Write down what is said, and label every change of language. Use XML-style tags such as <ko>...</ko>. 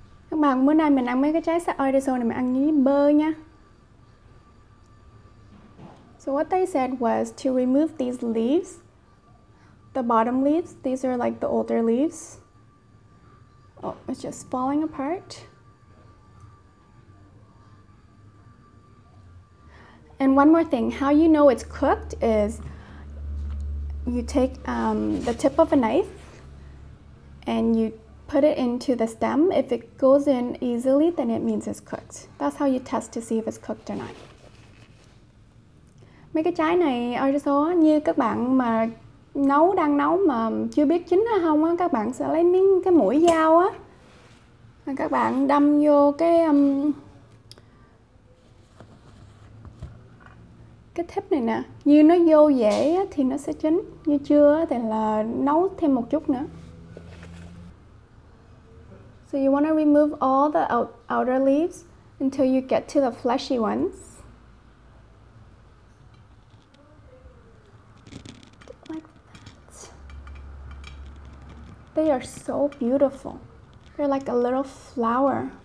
<vi>Các bạn, bữa nay mình ăn mấy cái trái sắc artiso này mình ăn với bơ nha.</vi> <en>So what they said was to remove these leaves, the bottom leaves. These are like the older leaves. Oh, it's just falling apart. And one more thing, how you know it's cooked is you take the tip of a knife and you put it into the stem. If it goes in easily, then it means it's cooked. That's how you test to see if it's cooked or not.</en> <vi>Mấy cái trái này artiso như các bạn mà nấu đang nấu mà chưa biết chín hay không á, các bạn sẽ lấy miếng cái mũi dao á. Các bạn đâm vô cái tip này nè, như nó vô dễ thì nó sẽ chín, như chưa thì là nấu thêm một chút nữa.</vi> <en>So you want to remove all the outer leaves until you get to the fleshy ones. Like that. They are so beautiful. They're like a little flower.</en>